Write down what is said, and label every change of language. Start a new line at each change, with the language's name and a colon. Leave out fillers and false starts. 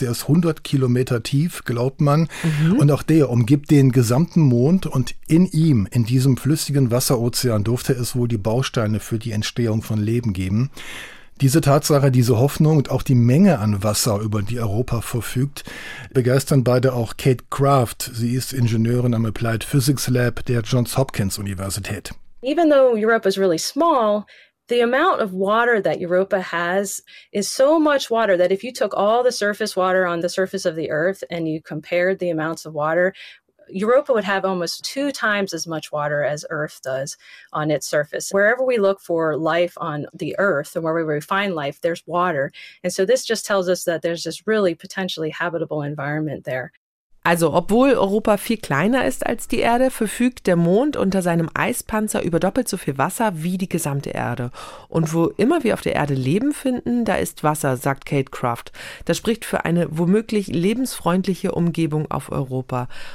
German: Der ist 100 Kilometer tief, glaubt man. Mhm. Und auch der umgibt den gesamten Mond und in ihm, in diesem flüssigen Wasserozean, durfte es wohl die Bausteine für die Entstehung von Leben geben. Diese Tatsache, diese Hoffnung und auch die Menge an Wasser, über die Europa verfügt, begeistern beide auch Kate Kraft. Sie ist Ingenieurin am Applied Physics Lab der Johns Hopkins Universität.
English: Even though Europe is really small, the amount of water that Europa has is so much water that if you took all the surface water on the surface of the Earth and you compared the amounts of water, Europa would have almost 2 times as much water as Earth does on its surface. Wherever we look for life on the Earth and wherever we find life, there's water. And so this just tells us that there's this really potentially habitable environment there.
German: Also, obwohl Europa viel kleiner ist als die Erde, verfügt der Mond unter seinem Eispanzer über doppelt so viel Wasser wie die gesamte Erde. Und wo immer wir auf der Erde Leben finden, da ist Wasser, sagt Kate Kraft. Das spricht für eine womöglich lebensfreundliche Umgebung auf Europa.